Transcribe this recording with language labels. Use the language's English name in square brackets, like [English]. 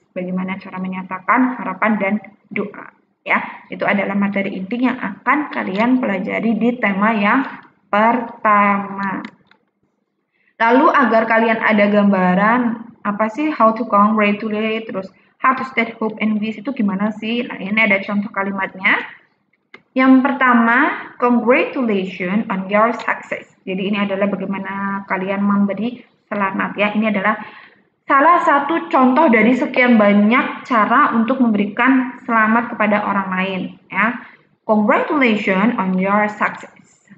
[Indonesian] Bagaimana cara menyatakan harapan dan doa. Ya, itu adalah materi inti yang akan kalian pelajari di tema yang pertama. Lalu agar kalian ada gambaran apa sih [English] how to congratulate, [Indonesian] terus [English] how to state hope and wish [Indonesian] itu gimana sih? Nah, ini ada contoh kalimatnya. Yang pertama, [English] congratulations on your success. [Indonesian] Jadi ini adalah bagaimana kalian memberi selamat ya. Ini adalah salah satu contoh dari sekian banyak cara untuk memberikan selamat kepada orang lain, ya. [English] Congratulations on your success.